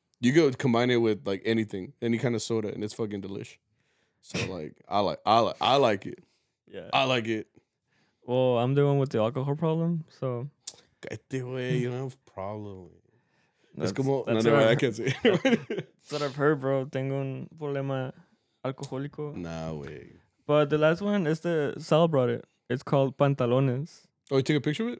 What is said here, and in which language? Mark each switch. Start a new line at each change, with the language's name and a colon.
English: You could combine it with, like, anything, any kind of soda, and it's fucking delish. So, like, I like it. Yeah. I like it. Well, I'm the one with the alcohol problem, so.
Spanish: Cállate, güey,
English: you don't have a problem. That's no, I can't say. That's what I've heard, bro.
Spanish: Tengo un problema alcohólico.
English: Nah, way. But the last one is the Sal brought it. It's called Pantalones. Oh, you took a picture of it?